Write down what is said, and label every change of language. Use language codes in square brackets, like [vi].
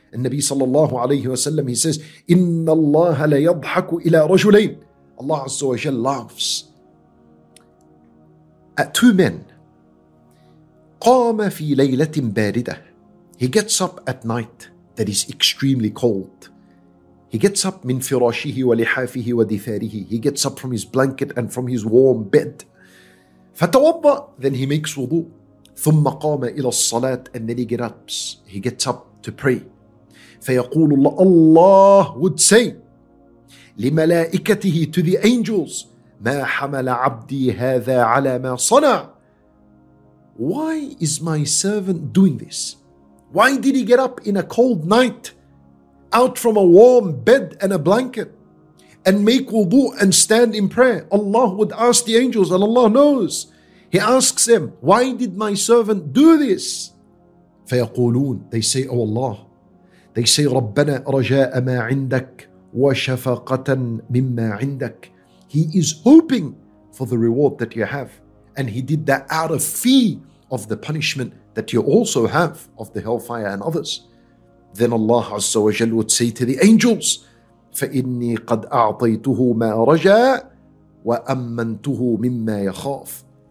[en] And Nabi sallallahu alayhi wa sallam, he says, [ar] إِنَّ اللَّهَ لَيَضْحَكُ إِلَىٰ رَجُلَيْنِ. [en] Allah Azza wa Jal laughs at two men. [ar] قَامَ فِي لَيْلَةٍ بَارِدَةٍ. [en] He gets up at night that is extremely cold. He gets up [ar] مِنْ فِرَاشِهِ وَلِحَافِهِ وَدِفَارِهِ. [en] He gets up from his blanket and from his warm bed. [ar] فَتَوَضَّ. [en] Then he makes wudu. [ar] ثُمَّ قَامَ إِلَى الصَّلَاةِ. [en] And then he gets up to pray. [ar] فَيَقُولُ اللَّهُ. [en] Allah would say [ar] لِمَلَائِكَتِهِ, [en] to the angels, [ar] مَا حَمَلَ عَبْدِي هَذَا عَلَى مَا صَنَعَ. [en] Why is my servant doing this? Why did he get up in a cold night out from a warm bed and a blanket and make wudu and stand in prayer? Allah would ask the angels, and Allah knows. He asks them, why did my servant do this? [ar] فيقولون, [en] they say, oh Allah, they say, [ar] ربنا رجاء ما عندك وشفقة مما عندك. [en] He is hoping for the reward that you have. And he did that out of fear of the punishment that you also have of the hellfire and others. Then Allah Azza wa Jal would say to the angels, [ar] فإني قد أعطيته ما رجاء وأمنته مما يخاف.